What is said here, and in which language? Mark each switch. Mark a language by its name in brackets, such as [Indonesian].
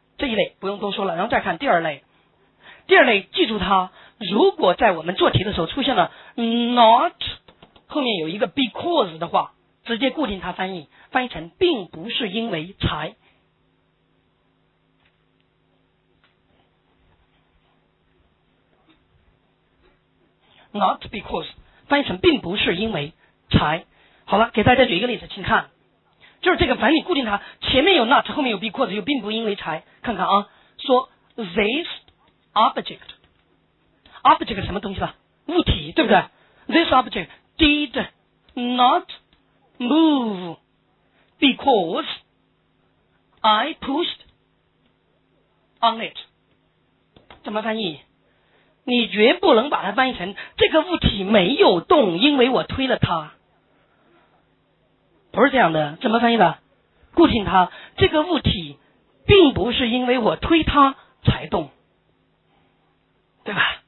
[Chinese] 这一类不用多说了。然后再看第二类，第二类记住它，如果在我们做题的时候出现了 not 后面有一个 because 的话，直接固定它翻译，翻译成并不是因为才，not because 翻译成并不是因为才。好了，给大家举一个例子，请看，就是这个反正固定它，前面有 not， 后面有 because， 又并不因为才。看看啊，说 this object， object 什么东西了？物体，对不对？ [English] this object did not move because I pushed on it， [Chinese] 怎么翻译？你绝不能把它翻译成这个物体没有动因为我推了它，不是这样的。怎么翻译的？固定它，这个物体并不是因为我推它才动，对吧？